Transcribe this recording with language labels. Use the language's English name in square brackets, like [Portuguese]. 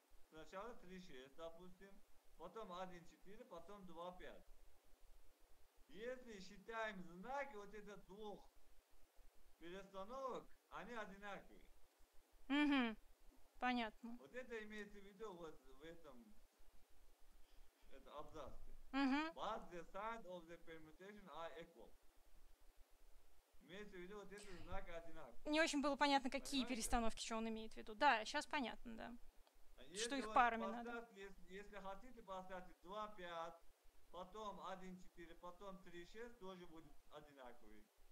[Russian] Сначала 3, 6, допустим. Потом 1, 4, потом 2, 5. Если считаем знаки вот этих двух перестановок, они одинаковые. Угу, понятно. Вот это имеется в виду вот в этом... абзацы. Uh-huh. [English] But the sign of the permutation are equal. [Russian] Имеется в виду вот эти знаки одинаковые. Не очень было понятно, какие понимаете? Перестановки, что он имеет в виду. Да, сейчас понятно, да. Если что их парами надо. Если хотите поставить 2, 5, потом 1, 4, потом 3, 6, тоже будет одинаковый.